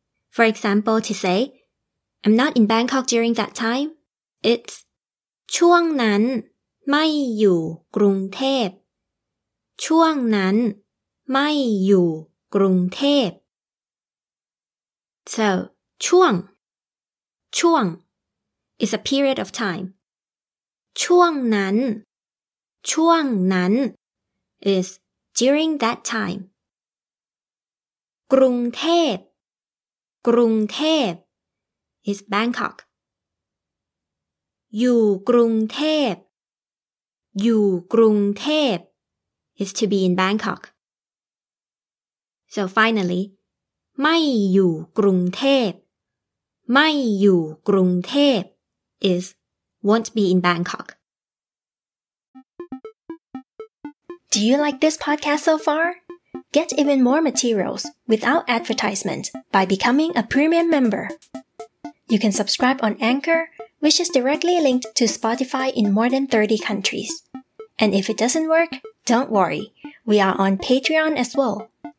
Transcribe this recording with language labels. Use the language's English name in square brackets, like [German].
[English] For example, to say, I'm not in Bangkok during that time, it's [Thai] ช่วงนั้นไม่อยู่กรุงเทพ. ช่วงนั้นไม่อยู่กรุงเทพ. [English] So, ช่วง, ช่วง is a period of time. [Thai] ช่วงนั้น, ช่วงนั้น [English] is during that time. กรุงเทพ, กรุงเทพ is Bangkok. [Thai] อยู่กรุงเทพ, อยู่กรุงเทพ [English] is to be in Bangkok. So finally, [Thai] ไม่อยู่กรุงเทพไม่อยู่กรุงเทพ [English] is won't be in Bangkok. Do you like this podcast so far? Get even more materials without advertisement by becoming a premium member. You can subscribe on Anchor, which is directly linked to Spotify in more than 30 countries. And if it doesn't work, don't worry, we are on Patreon as well.